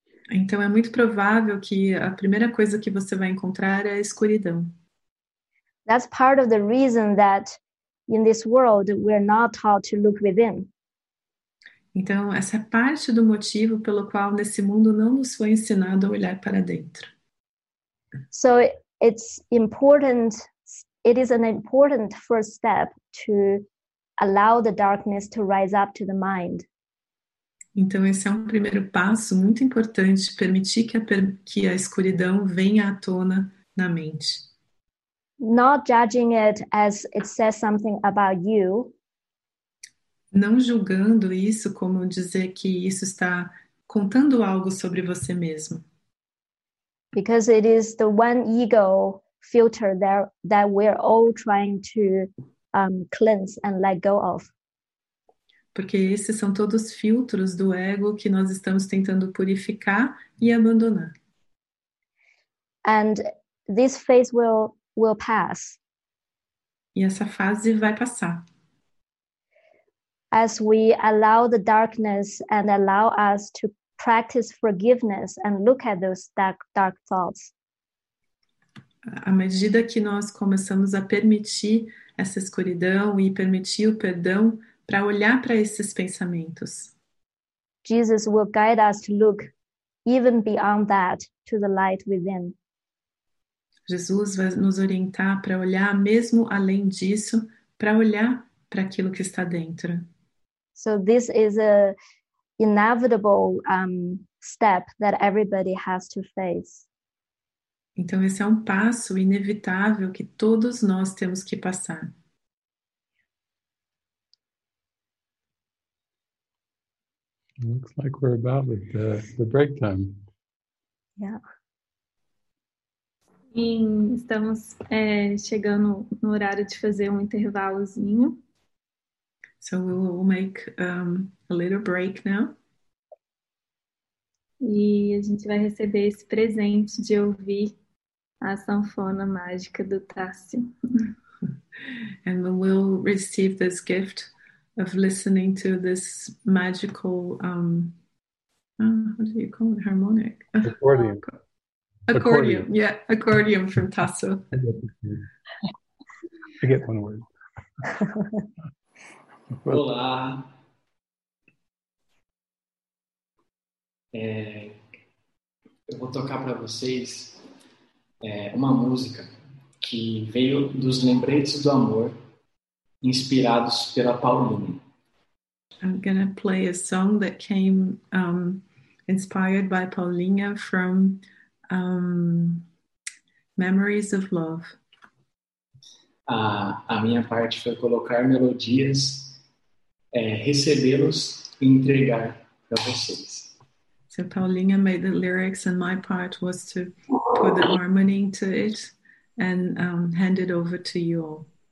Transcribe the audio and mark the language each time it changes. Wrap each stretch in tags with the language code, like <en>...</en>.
<pt>Então é muito provável que a primeira coisa que você vai encontrar é a escuridão.</pt> <en>That's part of the reason that in this world we're not taught to look within.</en> <pt>Então essa é parte do motivo pelo qual nesse mundo não nos foi ensinado a olhar para dentro.</pt> <en>So it's important it is an important first step to allow the darkness to rise up to the mind.</en> <pt>Então, esse é um primeiro passo muito importante, permitir que a escuridão venha à tona na mente.</pt> <en>Not judging it as it says something about you.</en> <pt>Não julgando isso como dizer que isso está contando algo sobre você mesmo.</pt> <en>Because it is the one ego filter that we're all trying to cleanse and let go of.</en> <pt>Porque esses são todos filtros do ego que nós estamos tentando purificar e abandonar.</pt> <en>And this phase will pass.</en> <pt>E essa fase vai passar.</pt> <en>As we allow the darkness and allow us to practice forgiveness and look at those dark thoughts.</en> <pt>À medida que nós começamos a permitir essa escuridão e permitir o perdão, para olhar para esses pensamentos.</pt> <en>Jesus will guide us to look even beyond that to the light within.</en> <pt>Jesus vai nos orientar para olhar mesmo além disso, para olhar para aquilo que está dentro.</pt> <en>So this is an inevitable step that everybody has to face.</en> <pt>Então esse é um passo inevitável que todos nós temos que passar.</pt> <en>Looks like we're about at the break time. Yeah.</en> <pt>Sim, estamos chegando no horário de fazer um intervalozinho.</pt> <en>So we will make a little break now.</en> <pt>E a gente vai receber esse presente de ouvir a sanfona mágica do Tássio.</pt> <en>And we will receive this gift of listening to this magical, what do you call it, harmonic? Accordion. Accordion, yeah, accordion from Tasso. I get one word.</en> <pt>Olá. Eu vou tocar para vocês uma música que veio dos lembretes do amor inspirados pela Pauline.</pt> <en>I'm going to play a song that came inspired by Paulinha from Memories of Love.</en> <pt>A minha parte foi colocar melodias, recebê-los e entregar para vocês.</pt> <en>So Paulinha made the lyrics and my part was to put the harmony into it and hand it over to you all.</en>